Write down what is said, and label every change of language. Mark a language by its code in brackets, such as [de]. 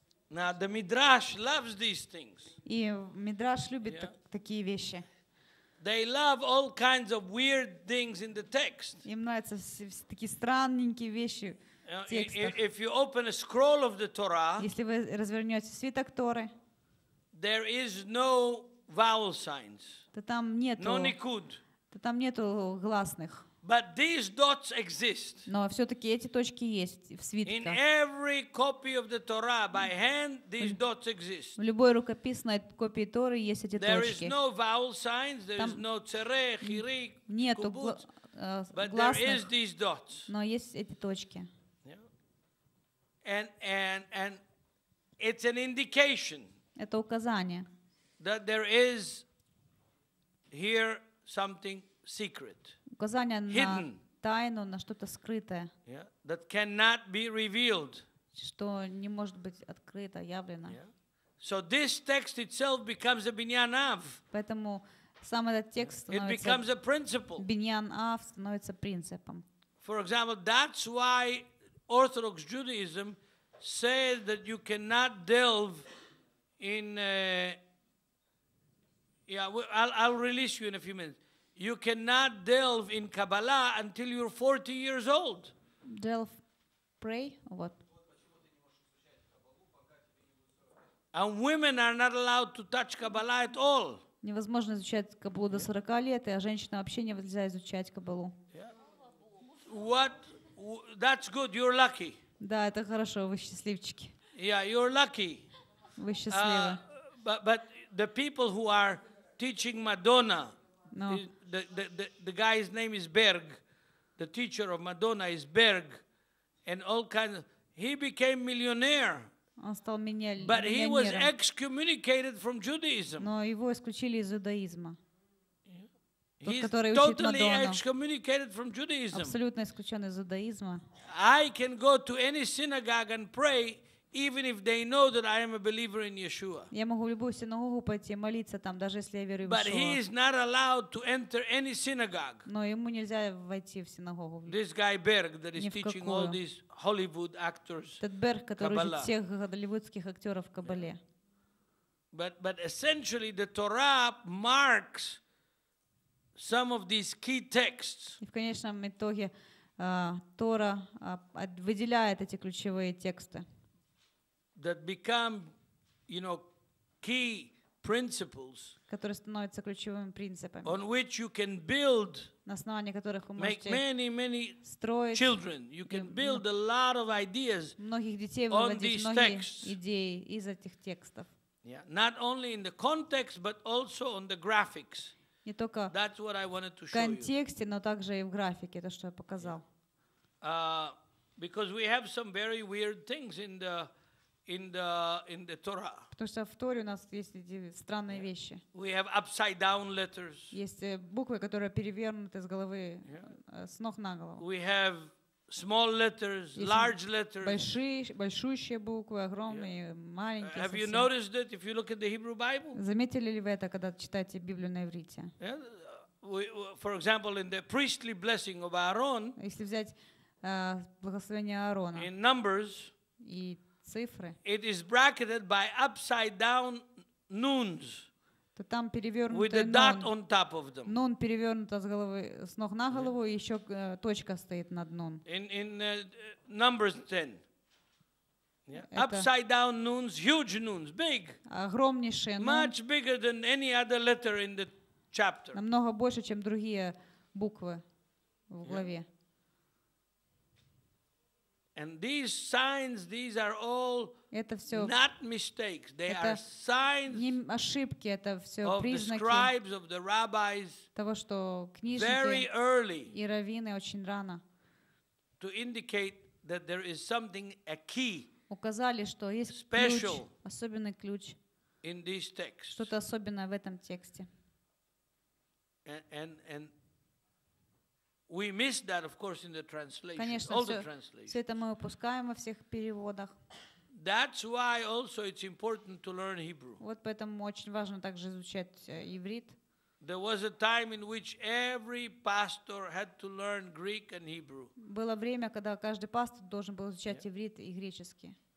[en] Now the Midrash loves these things. [ru] И Мидраш любит такие вещи. [en] They love all kinds of weird things in the text. [ru] Им нравятся такие странненькие вещи в текстах. [en] If you open a scroll of the Torah, [ru] если вы развернете свиток Торы, [en] there is no vowel signs. [ru] То там нету. [en] No nikud. [ru] То там нету гласных. [en] But these dots exist. [ru] Но все-таки эти точки есть в свитке. [en] In every copy of the Torah by hand, these dots exist. [ru] В любой рукописной копии Торы есть эти точки. [en] There is no vowel signs. There is no tzere, chiri, kubutz. But there is these dots. [ru] Но есть эти точки. [en] And it's an indication. [ru] Это указание. [en] That there is here something secret. [ru] Указание [en] hidden, [ru] на тайну, на что-то скрытое, [en] that cannot be revealed. [ru] Что не может быть открыто, явлено. [en] So this text itself becomes a binyan av. [ru] Поэтому сам этот текст [en] It becomes a principle. [ru] Binyan av становится принципом. [en] For example, that's why Orthodox Judaism says that you cannot delve in. I'll release you in a few minutes. You cannot delve in Kabbalah until you're 40 years old. Delve, pray, or what? And women are not allowed to touch Kabbalah at all. [ru] Невозможно изучать Каббалу до 40 лет, а женщина вообще нельзя изучать Каббалу. [en] What? That's good. You're lucky. [ru] Да, это хорошо. Вы счастливчики. [en] Yeah, you're lucky. [ru] Вы счастливы. [en] But the people who are teaching Madonna. No. The guy's name is Berg, the teacher of Madonna is Berg, and all kinds of, he became millionaire. [ru] Он стал миллионером. [en] But he was excommunicated from Judaism. [ru] Но его исключили из иудаизма. [en] He's totally excommunicated from Judaism. [ru] Абсолютно исключен из иудаизма. [en] I can go to any synagogue and pray, even if they know that I am a believer in Yeshua. [ru] Я могу в любую синагогу пойти молиться там, даже если я верю в Иешуа. [en] But he is not allowed to enter any synagogue. [ru] Но ему нельзя войти в синагогу. [en] This guy Berg that is teaching all these Hollywood actors. [ru] Тот Берг, который учит всех голливудских актеров Каббале. [en] But essentially the Torah marks some of these key texts. [ru] И в конечном итоге Тора выделяет эти ключевые тексты. [en] That become, you know, key principles. [ru] Которые становятся ключевыми принципами. [en] On which you can build. [ru] На основании которых вы можете. [en] Make many, many [ru] строить [en] children. You can build a lot of ideas. [ru] Многих детей выводить многие идеи из этих текстов. [en] Yeah, not only in the context, but also on the graphics. [ru] Не только. [en] That's what I wanted to show [ru] you. В контексте, но также и в графике, то что я показал. [en] Because we have some very weird things in the Torah. [ru] Потому что в Торе у нас есть эти странные вещи. [en] We have upside down letters. [ru] Есть буквы, которые перевернуты с головы с ног на голову. [en] We have small letters, large letters. [ru] Большущие буквы, огромные, маленькие. [en] Have you noticed that if you look at the Hebrew Bible? [ru] Заметили ли вы это, когда читаете Библию на иврите? [en] Yeah. For example, in the priestly blessing of Aaron. [ru] Если взять благословение Аарона. [en] In Numbers. [ru] И цифры. [en] It is bracketed by upside down nuns. [ru] то там перевернутый [en] with the dot on top of them. [ru] Нун перевернута с головы, с ног на голову, и еще точка стоит над нун. [en] In Numbers 10. Yeah. Upside down nuns, huge nuns, big. [ru] Огромнейшие нун. [en] Much bigger than any other letter in the chapter. [ru] Намного больше, чем другие буквы в главе. [en] And these signs, these are all not mistakes. They are signs [ru] не ошибки, это все [en] of [ru] признаки [en] the scribes, of the rabbis, [ru] того, что книжники [en] very early [ru] и раввины очень рано [en] to indicate that there is something, a key, [ru] указали, что есть [en] special [ru] ключ, особенный ключ [en] in this text. [ru] Что-то особенное в этом тексте. [en] And we miss that, of course, in the translation. [ru] Конечно, [en] all the translations. [ru] Все это мы упускаем во всех переводах. [en] That's why also it's important to learn Hebrew. [ru] Вот поэтому очень важно также изучать иврит. [en] There was a time in which every pastor had to learn Greek and Hebrew. [ru] Было время, когда каждый пастор должен был изучать иврит и греческий.